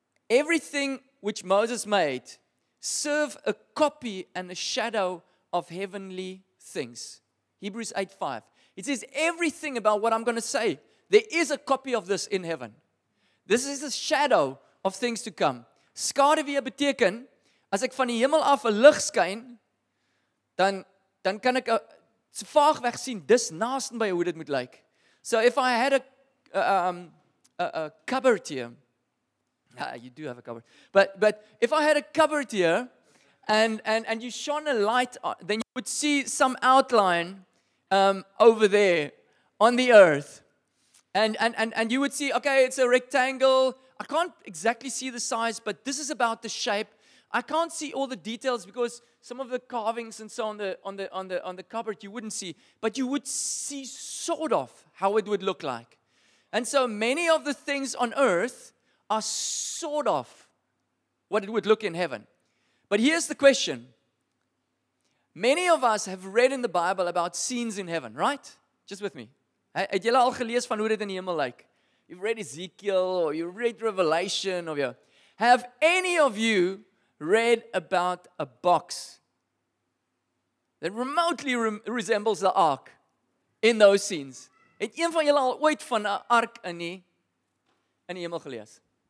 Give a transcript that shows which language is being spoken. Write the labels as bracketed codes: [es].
[en] Everything which Moses made serve a copy and a shadow of heavenly things. Hebrews 8:5. It says everything about what I'm going to say, there is a copy of this in heaven. This is a shadow of things to come. [af] Skaduwee beteken, as ek van die hemel af 'n lig skyn, dan kan ek so vaag weg sien, dis naastenby hoe dit moet lyk. [en] So if I had a cupboard here, you do have a cupboard, but if I had a cupboard here, and you shone a light on, then you would see some outline over there on the earth, and you would see, okay, it's a rectangle. I can't exactly see the size, but this is about the shape. I can't see all the details because some of the carvings and so on the cupboard you wouldn't see, but you would see sort of how it would look like. And so many of the things on earth are sort of what it would look in heaven. But here's the question. Many of us have read in the Bible about scenes in heaven, right? Just with me. [af] Het julle al gelees van hoe dit in die hemel lyk? [en] You've read Ezekiel, or you read Revelation, or you have any of you read about a box that remotely resembles the ark in those scenes? [af] Het een van julle al ooit van 'n ark in die hemel gelees?